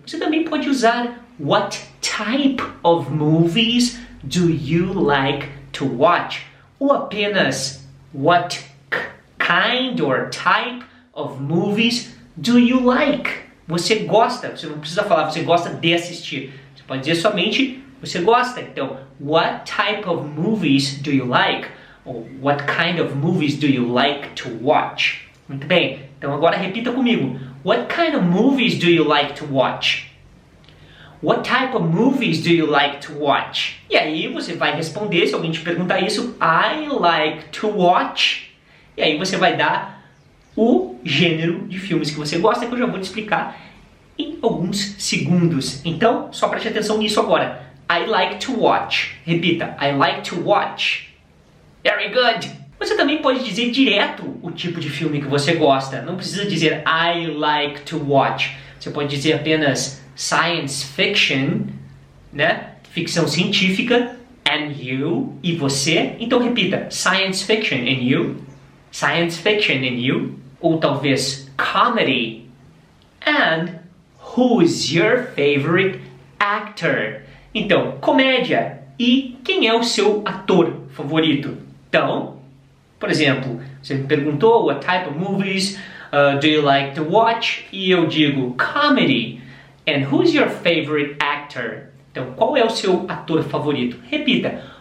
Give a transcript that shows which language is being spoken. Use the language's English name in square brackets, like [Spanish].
[Portuguese] Você também pode usar [English] What type of movies do you like to watch? [Portuguese] Ou apenas, [English] what kind or type of movies do you like? [Portuguese] Você gosta, você não precisa falar, você gosta de assistir. Você pode dizer somente, você gosta. [English] Então, what type of movies do you like? Ou what kind of movies do you like to watch? [Portuguese] Muito bem, então agora repita comigo. [English] What kind of movies do you like to watch? What type of movies do you like to watch? [Portuguese] E aí você vai responder, se alguém te perguntar isso, [English] I like to watch. [Portuguese] E aí você vai dar o gênero de filmes que você gosta, que eu já vou te explicar em alguns segundos. Então, só preste atenção nisso agora. [English] I like to watch. Repita, I like to watch. Very good! [Portuguese] Você também pode dizer direto o tipo de filme que você gosta. Não precisa dizer [English] I like to watch. [Portuguese] Você pode dizer apenas science fiction, né? Ficção científica, [English] and you, [Portuguese] e você. Então repita, [English] science fiction and you, science fiction and you, [Portuguese] ou talvez [English] comedy, and who is your favorite actor? [Portuguese] Então, comédia, e quem é o seu ator favorito? Então, por exemplo, você me perguntou [English] what type of movies do you like to watch, [Portuguese] e eu digo [English] comedy. And who's your favorite actor? [Portuguese] Então, qual é o seu ator favorito? Repita.